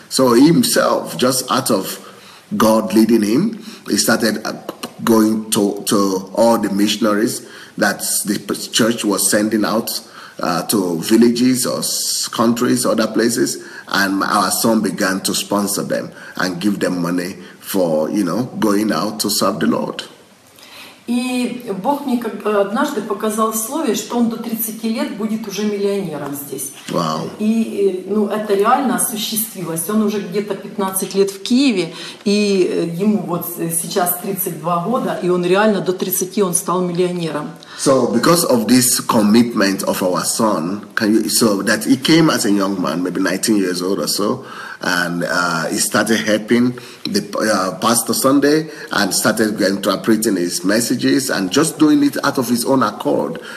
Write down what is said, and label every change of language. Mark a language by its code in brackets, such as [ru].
[en] So he himself, just out of God leading him, he started going to all the missionaries that the church was sending out to villages or countries, other places, and our son began to sponsor them and give them money for, you know, going out to serve the Lord. [ru] И Бог мне однажды показал в слове, что он до 30 лет будет уже миллионером здесь. [en] Wow. [ru] И ну, это реально осуществилось. Он уже где-то 15 лет в Киеве, и ему вот сейчас 32 года, и он реально до 30 он стал миллионером. [en] So because of this commitment of our son, can you, so that he came as a young man, maybe 19 years old or so, and he started helping the pastor Sunday and started interpreting his messages and just doing it out of his own accord.